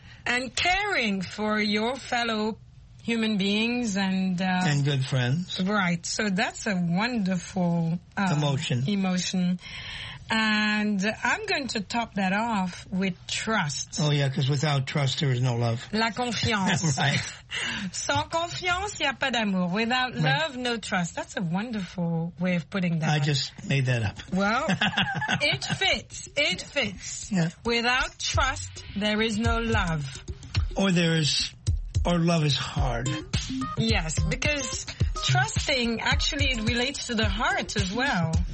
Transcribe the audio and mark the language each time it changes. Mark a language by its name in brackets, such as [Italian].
[English] And caring for your fellow human beings and... And good friends. Right. So that's a wonderful... Emotion. Emotion. And I'm going to top that off with trust. Oh, yeah, because without trust, there is no love. [French] La confiance. [English] right. [French] Sans confiance, il n'y a pas d'amour. [English] Without right. love, no trust. That's a wonderful way of putting that. I just made that up. Well, it fits. It fits. Yeah. Without trust, there is no love. Or love is hard. Yes, because trusting, actually, it relates to the heart as well.